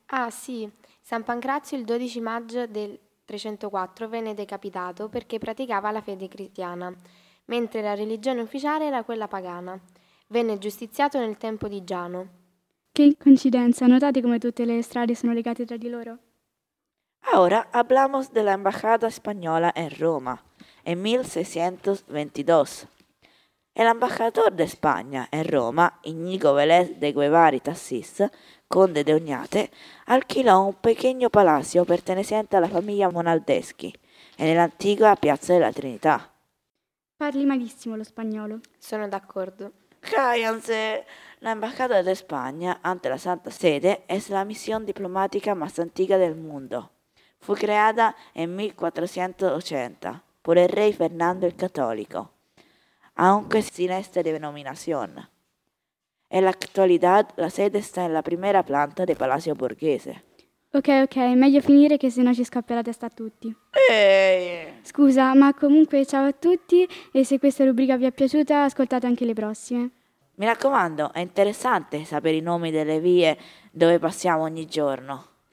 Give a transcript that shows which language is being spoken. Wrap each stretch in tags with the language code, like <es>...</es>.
<it>Ah sì, San Pancrazio il 12 maggio del 304 venne decapitato perché praticava la fede cristiana, mentre la religione ufficiale era quella pagana. Venne giustiziato nel tempo di Giano. Che coincidenza, notate come tutte le strade sono legate tra di loro?</it> <es>Ora hablamos de la embajada española en Roma, en 1622.</es> <it>E l'ambasciatore</it> <es>de Spagna en Roma, Iñigo Vélez de Guevara y Tassis, conde de Oñate, alquiló un pequeño palacio perteneciente</es> <it>alla famiglia Monaldeschi e nell'antica Piazza della Trinità. Parli malissimo lo spagnolo. Sono d'accordo.</it> <es>Cállense!</es> <it>L'ambasciatore</it> <es>de Spagna, ante la Santa Sede, es la misión diplomática más antigua del mundo.</es> <it>Fu creata</it> <es>en 1480 por el rey Fernando el Católico. Aunque sin esta denominación. En la actualidad, la sede está en la primera planta del Palacio Borghese.</es> <it>Ok, ok, meglio finire che sennò ci scappa la testa a tutti. Ehi! Scusa, ma comunque ciao a tutti e se questa rubrica vi è piaciuta, ascoltate anche le prossime. Mi raccomando, è interessante sapere i nomi delle vie dove passiamo ogni giorno.</it>